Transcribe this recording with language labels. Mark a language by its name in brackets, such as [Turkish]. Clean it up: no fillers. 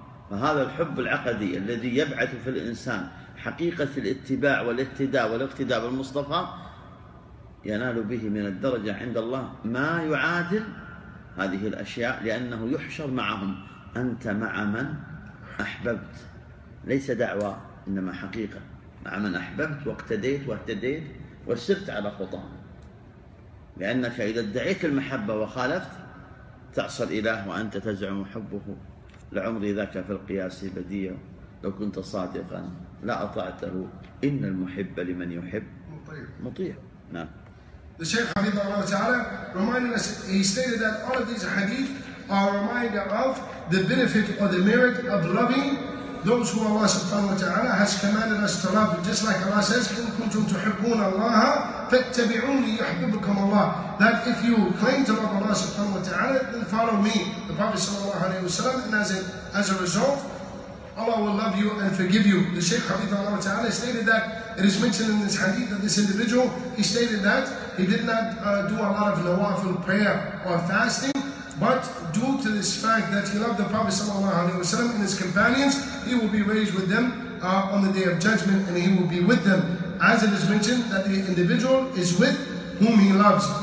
[Arabic] فهذا الحب العقدي الذي يبعث في الإنسان حقيقة الاتباع والاقتداء والاقتداء بالمصطفى ينال به من الدرجة عند الله ما يعادل هذه الأشياء، لأنه يحشر معهم أنت مع من أحببت، ليس دعوة إنما حقيقة، مع من أحببت واقتديت واهتديت وسرت على خطاهم. لأنك إذا ادعيت المحبة وخالفت تعصى الإله وأنت تزعم حبه. لعمري ذاك في القياس بديع، لو كنت صادقا لا أطعته، إن المحب لمن يحب مطيع. نعم. [English] The Shaykh Hafidhullah Ta'ala reminded us, he stated that all of these hadith are a reminder of the benefit or the merit of loving those who Allah subhanahu wa ta'ala has commanded us to love. Just like Allah says, [Arabic] إِن كُنْتُمْ تُحِبُّونَ اللَّهَ فَاتَّبِعُونِ يُحْبِبُكُمْ اللَّهُ. [English] That if you claim to love Allah subhanahu wa ta'ala, then follow me, the Prophet sallallahu alayhi wa sallam, and as a result, Allah will love you and forgive you. The Shaykh Hafidhullah Ta'ala stated that, it is mentioned in this hadith that this individual, he stated that he did not do a lot of nawafil prayer or fasting, but due to this fact that he loved the Prophet sallallahu alaihi wasallam and his companions, he will be raised with them on the day of judgment, and he will be with them, as it is mentioned that the individual is with whom he loves.